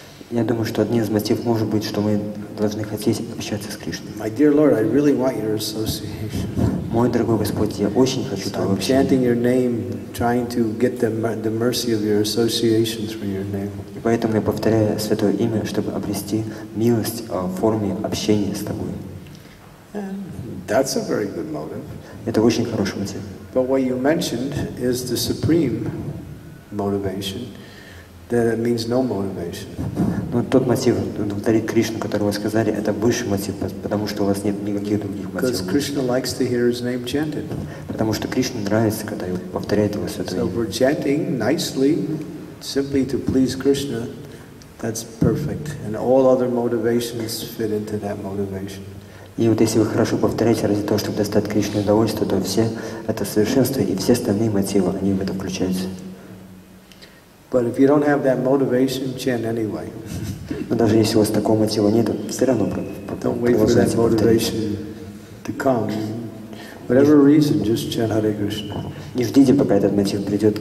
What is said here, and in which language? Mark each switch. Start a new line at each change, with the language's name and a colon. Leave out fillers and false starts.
Russian: Я думаю, что одним из мотивов может быть, что мы должны хотеть общаться с Кришной.
English: My dear Lord, I really want your association.
Russian: Мой дорогой Господь, я очень хочу твоего общения.
English: I'm chanting your name, trying to get the mercy of your association through your name.
Russian: И поэтому я повторяю святое имя, чтобы обрести милость в форме общения с тобой.
English: And that's a very good motive.
Russian: Это очень хороший мотив.
English: But what you mentioned is the supreme motivation. That it means no motivation.
Russian: Но тот мотив, повторить Кришну, который вы сказали, это высший мотив, потому что у вас нет никаких других мотивов.
English: Because Krishna likes to hear his name chanted.
Russian: Потому что Кришне нравится, когда его повторяют его святое имя.
English: So we're chanting nicely, simply to please Krishna. That's perfect. And all other motivations fit into that motivation.
Russian: И вот если вы хорошо повторяете ради того, чтобы достать Кришне удовольствие, то все это совершенство и все остальные мотивы, они в это включаются.
English: But if you don't have that motivation, chant anyway.
Russian: Но даже если у вас такого мотива нет, все равно
English: Don't wait for that motivation to come. Whatever reason, just chant Hare Krishna.
Russian: Не ждите, пока этот мотив придет.